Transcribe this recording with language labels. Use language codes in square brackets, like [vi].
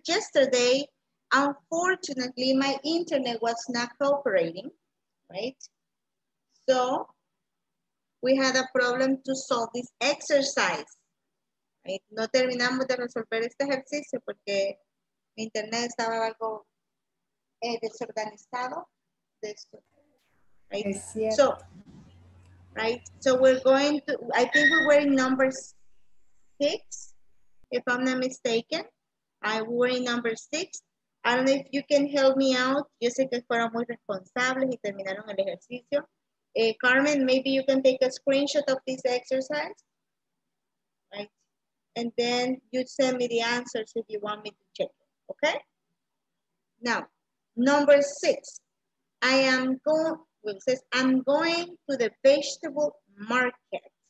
[en] Yesterday, unfortunately, my internet was not cooperating, right? So we had a problem to solve this exercise. Right? [es] No terminamos de resolver este ejercicio porque mi internet estaba algo desorganizado. [en] Right? So, right? So we're going to, I think we were in number 6, if I'm not mistaken. I were in number 6. I don't know if you can help me out. [es] Yo sé que fueron muy responsables y terminaron el ejercicio. [en] Carmen, maybe you can take a screenshot of this exercise, right? And then you send me the answers if you want me to check it, okay? Now, number 6. I'm going to the vegetable market.